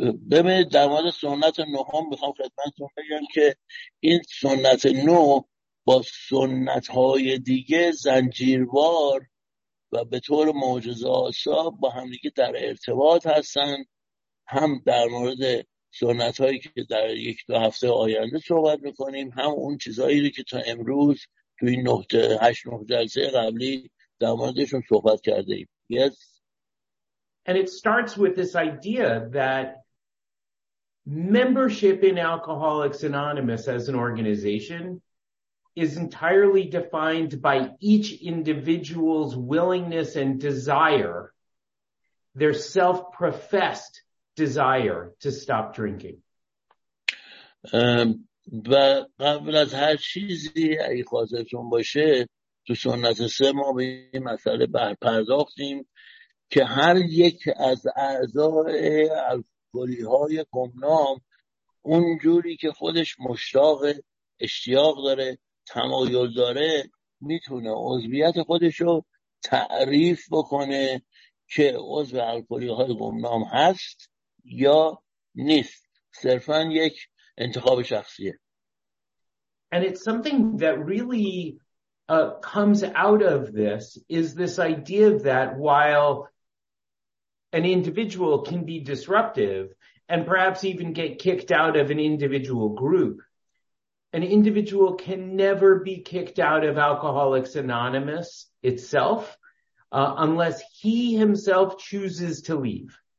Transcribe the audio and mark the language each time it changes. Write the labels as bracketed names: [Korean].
[Persian] ببینید در مورد سنت نهم میخوام خدمتتون بگم که این سنت نو با سنت های دیگه زنجیروار و به طور معجزه آسا با همدیگه در ارتباط هستن، هم در مورد سنت هایی که در یک دو هفته آینده صحبت میکنیم، هم اون چیزهایی که تا امروز توی نقطه 8-9 جلسه قبلی در موردشون صحبت کرده ایم. [English] Yes. And it starts with this idea that membership in Alcoholics Anonymous as an organization is entirely defined by each individual's willingness and desire, their self-professed desire to stop drinking. [Persian] و قبل از هر چیزی اگه خاطرتون باشه تو سنت سه ما به این مسئله برپرداختیم که هر یک از اعضای الکلی‌های گمنام اونجوری که خودش مشتاق اشتیاق داره تمایل داره میتونه عضویت خودشو تا تعریف بکنه که عضو الکلی‌های گمنام هست یا نیست، صرفا یک انتخاب شخصیه. [English] And it's something that really comes out of this is this idea that while an individual can be disruptive and perhaps even get kicked out of an individual group, an individual can never be kicked out of Alcoholics Anonymous itself unless he himself chooses to leave.